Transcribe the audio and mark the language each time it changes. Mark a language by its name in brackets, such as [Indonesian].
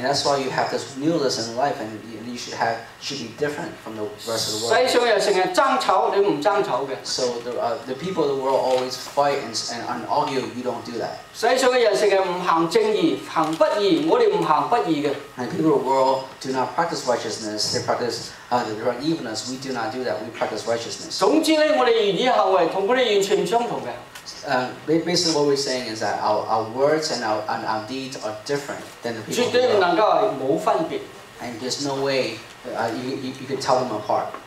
[English] And that's why you have this newness in life, and you should be different from the rest of the world. [Cantonese] 世上又成日爭吵，你唔爭吵嘅。 [English] So the people of the world always fight and argue. You don't do that. [Cantonese] 世上嘅人成日唔行正義，行不義，我哋唔行不義嘅。 [English] And people of the world do not practice righteousness. They practice evilness. We do not do that. We practice righteousness. [Cantonese] 總之咧，我哋言語行為同佢哋完全唔相同嘅。 [English] Basically, what we're saying is that our words and our deeds are different than the people. [Cantonese] 絕對唔能夠冇分別。 [English] And there's no way you could tell them apart.